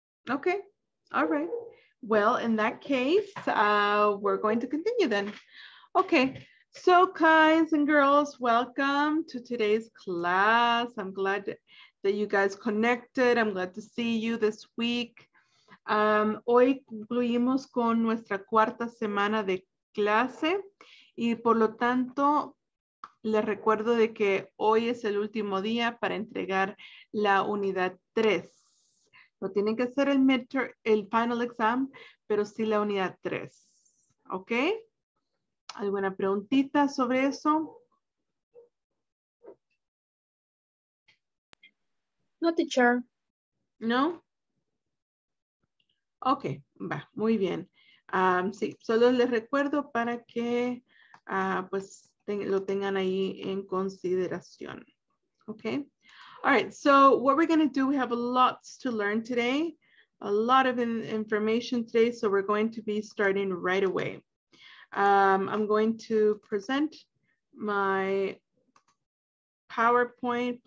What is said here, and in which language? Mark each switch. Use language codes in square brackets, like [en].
[en] Okay. All right. Well, in that case, we're going to continue then. Okay. So, guys and girls, welcome to today's class. I'm glad that you guys connected. I'm glad to see you this week. [es] Hoy concluimos con nuestra cuarta semana de clase. Y por lo tanto, les recuerdo de que hoy es el último día para entregar la unidad 3. No tienen que hacer el final exam, pero sí la unidad 3. ¿Ok? ¿Alguna preguntita sobre eso? [en] No, teacher. [es] ¿No? Ok, va, muy bien. Sí, solo les recuerdo para que pues lo tengan ahí en consideración. [en] okay? All right, so what we're gonna do, we have lots to learn today, a lot of information today, so we're going to be starting right away. I'm going to present my PowerPoint.